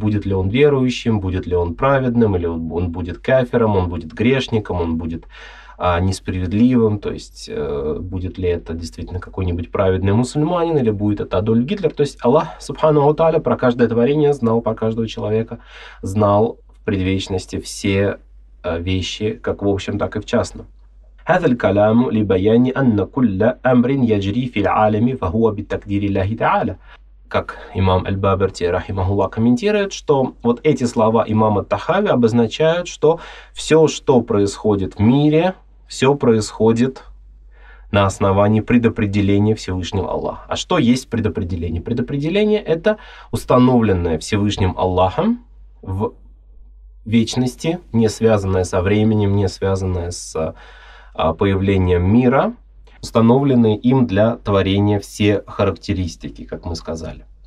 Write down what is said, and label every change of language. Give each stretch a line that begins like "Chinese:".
Russian: Будет ли он верующим, будет ли он праведным, или он будет кафиром, он будет грешником, он будет несправедливым, то есть будет ли это действительно какой-нибудь праведный мусульманин, или будет это Адольф Гитлер. То есть Аллах, субхана ва тааля, про каждое творение знал, про каждого человека знал в предвечности все вещи, как в общем, так и в частном.
Arabic: هذا الكلام لبيان أن كل أمر يجري في العالم فهو بتقدير الله تعالى.
Russian: Как имам аль-Бабирти рахимахуллах комментирует, что вот эти слова имама ат-Тахави обозначают, что все, что происходит в мире, все происходит на основании предопределения Всевышнего Аллаха. А что есть предопределение? Предопределение – это установленное Всевышним Аллахом в вечности, не связанное со временем, не связанное с появлением мира, установленные им для творения все характеристики, как мы сказали.